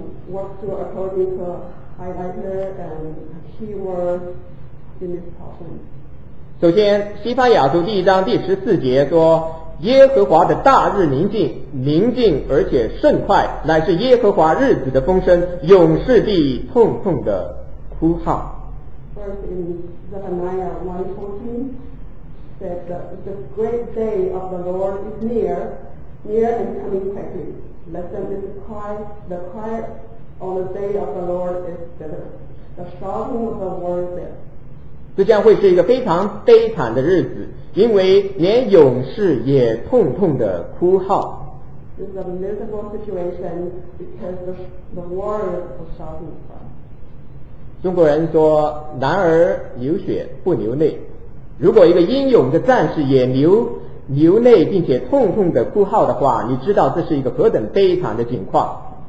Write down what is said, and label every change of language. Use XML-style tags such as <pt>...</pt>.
<en>Work through according to highlighter and keywords in this portion.</en> <zh>首先，西番雅书第一章第十四节说：“耶和华的大日临近，临近而且甚快，乃是耶和华日子的风声，勇士必痛痛的哭号。”</zh> <en>First in Zephaniah 1:14 said the great day of the Lord is near and coming quickly. Let them cry, the cry on the day of the Lord is bitter. The shouting of the Lord is bitter.</en> <zh>这将会是一个非常悲惨的日子，因为连勇士也痛痛的哭号。</zh> <en>This is a miserable situation because the warriors are shouting.</en> <zh>中国人说，男儿流血不流泪。如果一个英勇的战士也流泪并且痛痛的哭号的话，你知道这是一个何等悲惨的境况。</zh>